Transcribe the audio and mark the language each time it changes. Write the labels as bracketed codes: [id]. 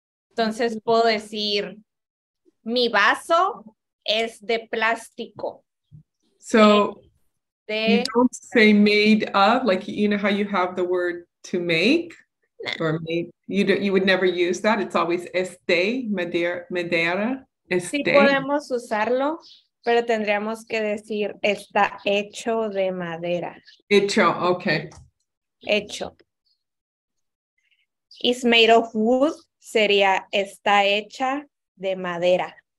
[es] Entonces puedo decir, mi vaso es de plástico. [en] So, you don't say made of, like, you know how you have the word to make, or made, you would never use that. It's always este, madera, este. [es] Sí, podemos usarlo, pero tendríamos que decir está hecho de madera. Hecho, okay. Hecho. [en] Is made of wood [es] sería está hecha de madera.